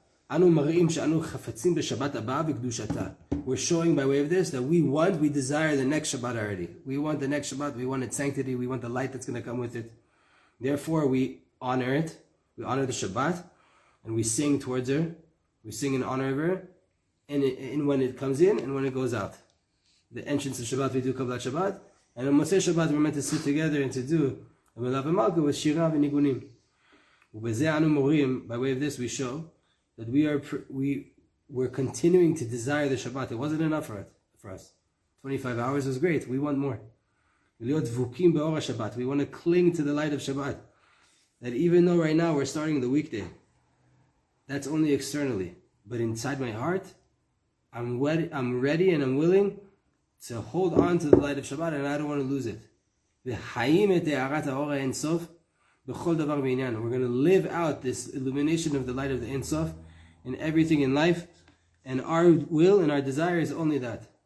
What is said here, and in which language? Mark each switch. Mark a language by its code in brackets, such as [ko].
[he] אנו מראים שאנו חפצים בשבת הבא וקדושתה. [en] We're showing by way of this that we want, we desire the next Shabbat already. We want the next Shabbat, we want its sanctity, we want the light that's going to come with it. Therefore, we honor it. We honor the Shabbat and we sing towards her. We sing in honor of her. And when it comes in and when it goes out. The entrance of Shabbat, we do Kabbalat Shabbat. And on Motzei Shabbat, we're meant to sit together and to do a Melav and Malka with Shira and Nigunim. [he] ובזה אנו מורים, [en] by way of this, we show that we're continuing to desire the Shabbat. It wasn't enough for us. 25 hours was great. We want more. [he] להיות דבוקים באור השבת. [en] We want to cling to the light of Shabbat. That even though right now we're starting the weekday, that's only externally. But inside my heart, I'm ready and I'm willing to hold on to the light of Shabbat and I don't want to lose it. [he] וחיים את הארת האור האין סוף בכל דבר בעניין. [en] We're going to live out this illumination of the light of the Insof in everything in life. And our will and our desire is only that.